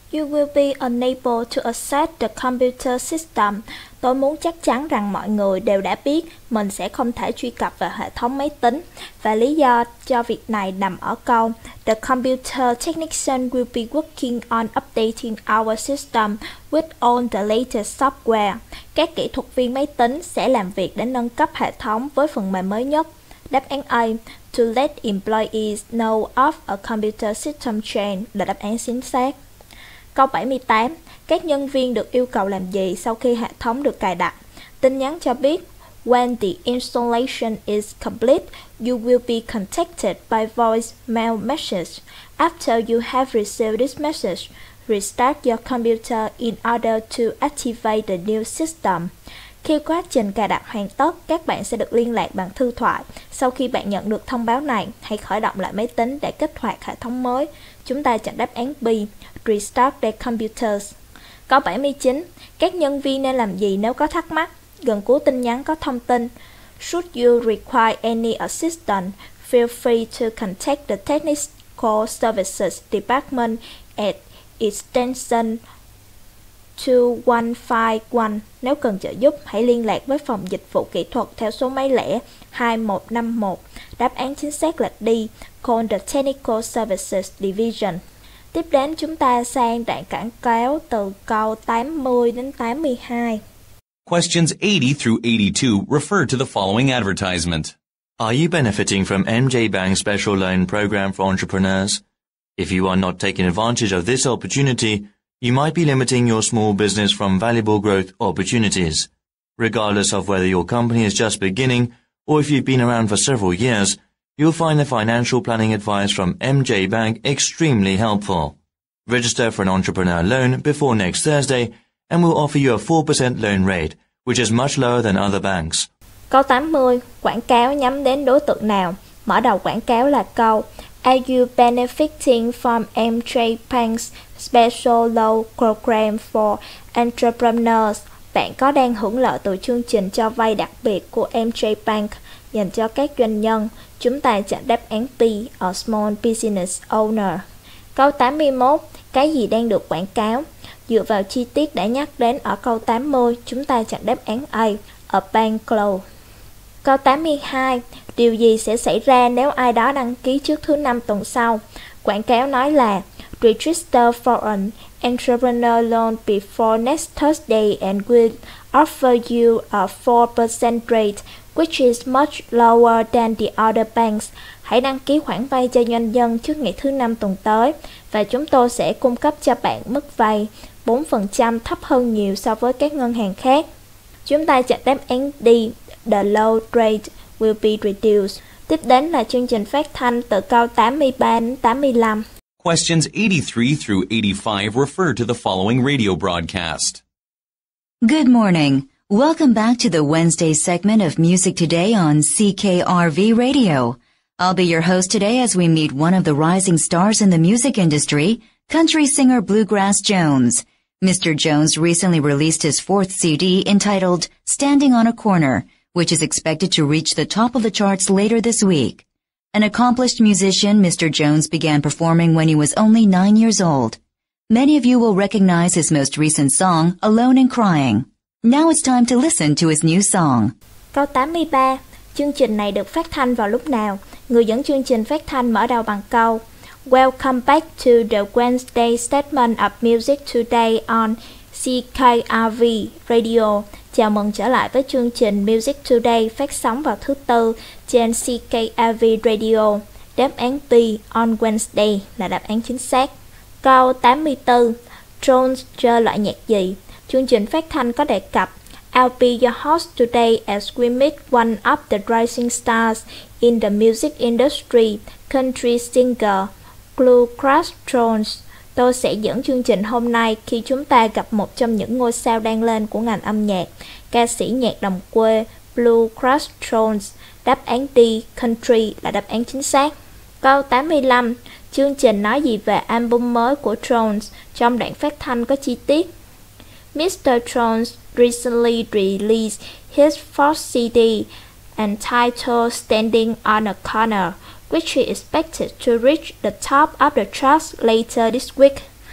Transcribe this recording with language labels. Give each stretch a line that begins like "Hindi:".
English: You will be unable to access the computer system.
Vietnamese: Tôi muốn chắc chắn rằng mọi người đều đã biết mình sẽ không thể truy cập vào hệ thống máy tính. Và lý do cho việc này nằm ở câu
English: The computer technician will be working on updating our system with all the latest software.
Vietnamese: Các kỹ thuật viên máy tính sẽ làm việc để nâng cấp hệ thống với phần mềm mới nhất. Đáp án A,
English: to let employees know of a computer system change
Vietnamese: là đáp án chính xác. Câu 78. Các nhân viên được yêu cầu làm gì sau khi hệ thống được cài đặt? Tin nhắn cho biết,
English: when the installation is complete, you will be contacted by voicemail message. After you have received this message, restart your computer in order to activate the new system.
Vietnamese: Khi quá trình cài đặt hoàn tất, các bạn sẽ được liên lạc bằng thư thoại. Sau khi bạn nhận được thông báo này, hãy khởi động lại máy tính để kích hoạt hệ thống mới. Chúng ta chọn đáp án B,
English: restart the computers.
Vietnamese: Câu 79. Các nhân viên nên làm gì nếu có thắc mắc? Gần cuối tin nhắn có thông tin.
English: Should you require any assistance, feel free to contact the Technical Services Department at extension 2151.
Vietnamese: Nếu cần trợ giúp, hãy liên lạc với phòng dịch vụ kỹ thuật theo số máy lẻ 2151. Đáp án chính xác là D.
English: Call the Technical Services Division.
Vietnamese: Tiếp đến chúng ta sang đoạn quảng cáo từ câu 80 đến 82.
English: Questions 80 through 82 refer to the following advertisement. Are you benefiting from MJ Bank's special loan program for entrepreneurs? If you are not taking advantage of this opportunity, you might be limiting your small business from valuable growth opportunities. Regardless of whether your company is just beginning or if you've been around for several years, you'll find the financial planning advice from MJ Bank extremely helpful. Register for an entrepreneur loan before next Thursday and we'll offer you a 4% loan rate, which is much lower than other banks.
Vietnamese: Câu 80. Quảng cáo nhắm đến đối tượng nào? Mở đầu quảng cáo là câu
English: Are you benefiting from MJ Bank's special loan program for entrepreneurs?
Vietnamese: Bạn có đang hưởng lợi từ chương trình cho vay đặc biệt của MJ Bank dành cho các doanh nhân? Chúng ta chọn đáp án B,
English: a small business owner.
Vietnamese: Câu 81, cái gì đang được quảng cáo? Dựa vào chi tiết đã nhắc đến ở câu 80, chúng ta chọn đáp án A,
English: a bank clothes.
Vietnamese: Câu 82, điều gì sẽ xảy ra nếu ai đó đăng ký trước thứ năm tuần sau? Quảng cáo nói là
English: register for an entrepreneur loan before next Thursday and we'll offer you a 4% rate, which is much lower than the other banks.
Vietnamese: Hãy đăng ký khoản vay cho doanh nhân trước ngày thứ năm tuần tới và chúng tôi sẽ cung cấp cho bạn mức vay 4% thấp hơn nhiều so với các ngân hàng khác. Chúng ta chọn đáp án D,
English: the low rate will be reduced.
Vietnamese: Tiếp đến là chương trình phát thanh từ câu 83 đến 85.
English: Questions 83 through 85 refer to the following radio broadcast. Good morning. Welcome back to the Wednesday segment of Music Today on CKRV Radio. I'll be your host today as we meet one of the rising stars in the music industry, country singer Bluegrass Jones. Mr. Jones recently released his fourth CD entitled Standing on a Corner, which is expected to reach the top of the charts later this week. An accomplished musician, Mr. Jones began performing when he was only 9 years old. Many of you will recognize his most recent song, Alone and Crying. Now it's time to listen to his new song.
Vietnamese: Câu 83. Chương trình này được phát thanh vào lúc nào? Người dẫn chương trình phát thanh mở đầu bằng câu
English: Welcome back to the Wednesday segment of Music Today on CKRV Radio.
Vietnamese: Chào mừng trở lại với chương trình Music Today phát sóng vào thứ tư trên CKRV Radio. Đáp án B
English: on Wednesday
Vietnamese: là đáp án chính xác. Câu 84. Jones chơi loại nhạc gì? Chương trình phát thanh có đề cập
English: I'll be your host today as we meet one of the rising stars in the music industry, country singer Bluegrass Jones.
Vietnamese: Tôi sẽ dẫn chương trình hôm nay khi chúng ta gặp một trong những ngôi sao đang lên của ngành âm nhạc, ca sĩ nhạc đồng quê Bluegrass Jones. Đáp án D, country là đáp án chính xác. Câu 85. Chương trình nói gì về album mới của Jones? Trong đoạn phát thanh có chi tiết Mr.
English: Jones recently released his fourth CD entitled Standing on a Corner, which he expected to reach the top of the charts later this week.